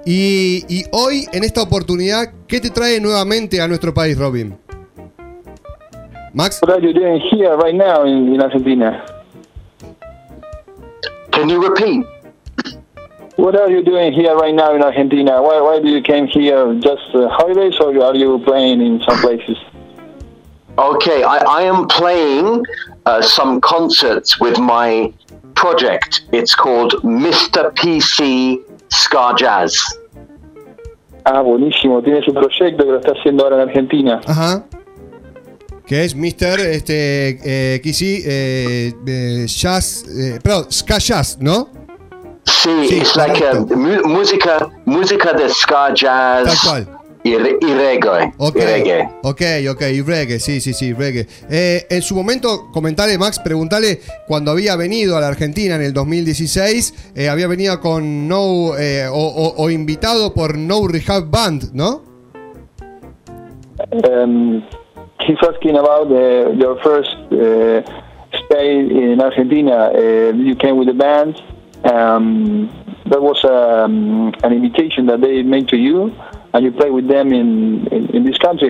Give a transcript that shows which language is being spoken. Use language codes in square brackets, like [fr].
[es] Y hoy, en esta oportunidad, ¿qué te trae nuevamente a nuestro país, Robin? Max. [en] What are you doing here right now in Argentina? Can you repeat? What are you doing here right now in Argentina? Why do you came here? Just holidays or are you playing in some places? Okay, I am playing some concerts with my project. It's called Mr. PC Ska Jazz. [es] Ah, buenísimo. Tienes un proyecto que lo estás haciendo ahora en Argentina. Ajá. que es Mr. Ska Jazz, ¿no? Sí, es like música de ska jazz. Tal cual. Y reggae. [en] Okay. [es] Y reggae. Y reggae, sí, reggae. En su momento, comentale, Max, preguntale, cuando había venido a la Argentina en el 2016, había venido con No, o invitado por No Rehab Band, ¿no? [en] He's asking about your first stay in Argentina. You came with the band. That was an invitation that they made to you, and you play with them in this country.